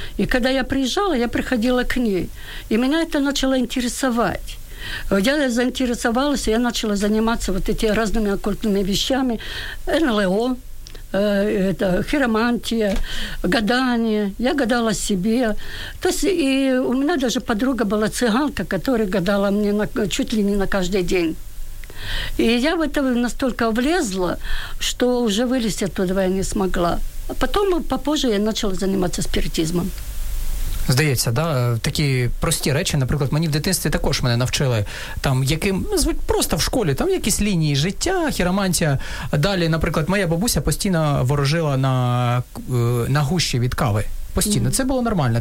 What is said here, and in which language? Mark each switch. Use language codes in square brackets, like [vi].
[uk] І коли я приїжджала, я приходила [ru] к ней. [uk] І мене це почало цікавити. [ru] Я заинтересовалась, я начала заниматься вот этими разными оккультными вещами. НЛО, это хиромантия, гадание. Я гадала себе. То есть и у меня даже подруга была цыганка, которая гадала мне чуть ли не на каждый день. И я в это настолько влезла, что уже вылезти оттуда я не смогла. А потом, попозже, я начала заниматься спиритизмом. [uk] Здається, да, такі прості речі, наприклад, мені в дитинстві також мене навчили, там, яким, просто в школі, там якісь лінії життя, хіромантія. Далі, наприклад, моя бабуся постійно ворожила на гущі від кави. Постійно. Це було нормально.